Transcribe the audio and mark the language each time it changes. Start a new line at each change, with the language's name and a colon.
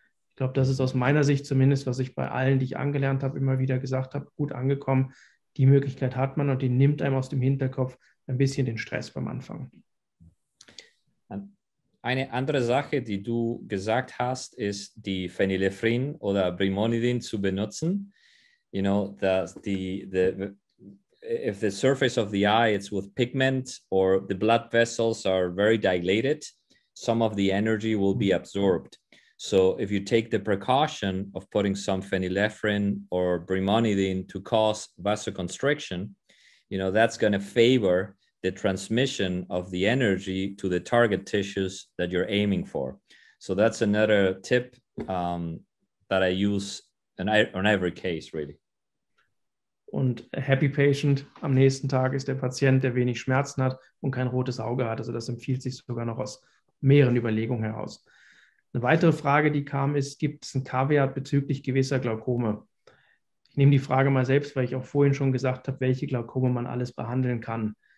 German: Ich glaube, das ist aus meiner Sicht zumindest, was ich bei allen, die ich angelernt habe, immer wieder gesagt habe, gut angekommen. Die Möglichkeit hat man und die nimmt einem aus dem Hinterkopf ein bisschen den Stress beim Anfang. Eine andere Sache, die du gesagt hast, ist die Phenylephrin oder Brimonidin zu benutzen.
English: You know,
German: dass
English: if the surface of the eye is with pigment or the blood vessels are very dilated, some of the energy will be absorbed. So if you take the precaution of putting some phenylephrine or brimonidine to cause vasoconstriction, you know, that's going to favor the transmission of the energy to the target tissues that you're aiming for. So that's another tip that I use in every case, really.
German: Und
English: a happy patient
German: am nächsten Tag ist der Patient, der wenig Schmerzen hat und kein rotes Auge hat. Also das empfiehlt sich sogar noch aus mehreren Überlegungen heraus. Eine weitere Frage, die kam, ist, gibt es ein Kaviar bezüglich gewisser Glaukome? Ich nehme die Frage mal selbst, weil ich auch vorhin schon gesagt habe, welche Glaukome man alles behandeln kann.